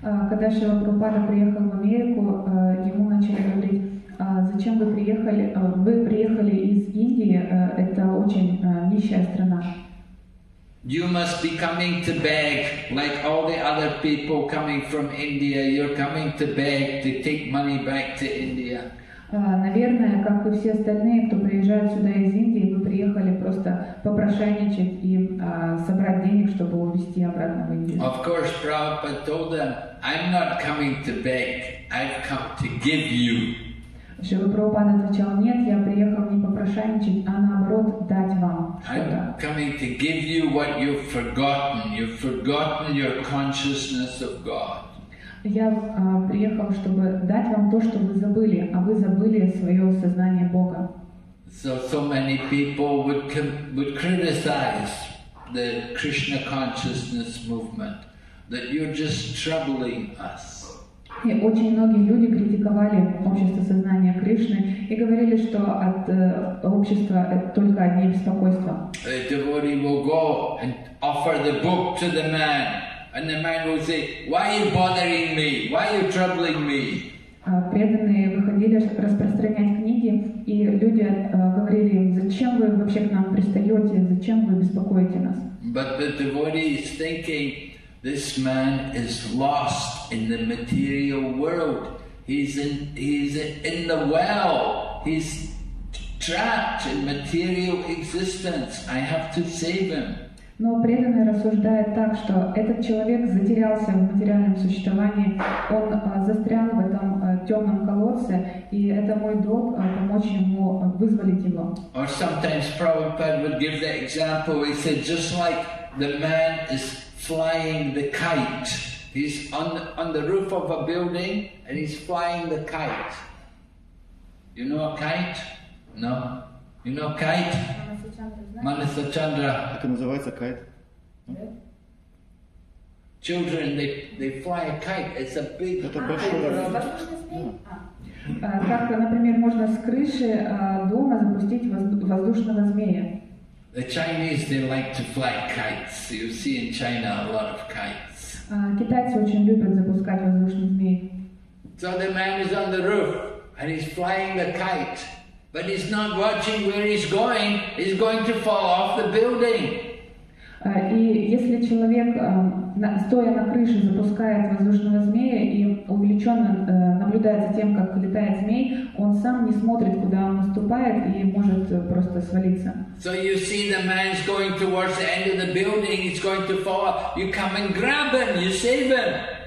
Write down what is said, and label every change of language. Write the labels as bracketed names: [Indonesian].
[Russian] Когда Шрила Прабхупада приехал в Америку, ему начали говорить, зачем вы приехали из Индии, это очень нищая страна. [English] You must be coming to beg, like all the other people coming from India, you're coming to beg to take money back to India. [Russian] Наверное, как и все остальные, кто приезжает сюда из Индии, вы приехали просто попрошайничать и собрать денег, чтобы увезти обратно в Индию. [English] Of course, Prabhupada told them, I'm not coming to beg, I've come to give you. [Russian] Шрила Прабхупада отвечал, нет, я приехал не попрошайничать, а наоборот дать вам что-то. [English] I'm coming to give you what you've forgotten. You've forgotten your consciousness of God. [Russian] Я приехал, чтобы дать вам то, что вы забыли, а вы забыли свое сознание Бога. [English] So many people would criticize the Krishna consciousness movement that you're just troubling us. [Russian] И очень многие люди критиковали общество сознания Кришны и говорили, что от общества только одни беспокойства. [English] A devotee will go and offer the book to the man. And the man will say, why are you bothering me? Why are you troubling me? [Russian] Преданные выходили распространять книги, и люди говорили им, зачем вы вообще к нам пристаете, зачем вы беспокоите нас? [English] But the devotee is thinking, this man is lost in the material world. He's in the well. He's trapped in material existence. I have to save him. [Russian] Но преданный рассуждает так, что этот человек затерялся в материальном существовании, он застрял в этом темном колодце, и это мой долг помочь ему вызволить его. [English] Or sometimes Prabhupada would give the example, he said, just like the man is flying the kite. He's on the roof of a building and he's flying the kite. You know a kite? No? You know kite? Manasachandra. [Russian] Это называется кайт. [English] Children, they fly a kite. It's a big kite. [Russian] Это большой размер. Как, например, можно с крыши дома запустить воздушного змея? [English] The Chinese, they like to fly kites. You see in China a lot of kites. [Russian] Китайцы очень любят запускать воздушные змеи. [English] So the man is on the roof and he's flying the kite. But he's not watching where he's going to fall off the building. [Russian] И если человек, стоя на крыше, запускает воздушного змея и увлеченно наблюдает за тем, как летает змей, он сам не смотрит, куда он наступает, и может просто свалиться. [English] So you see the man is going towards the end of the building, he's going to fall off. You come and grab him, you save him.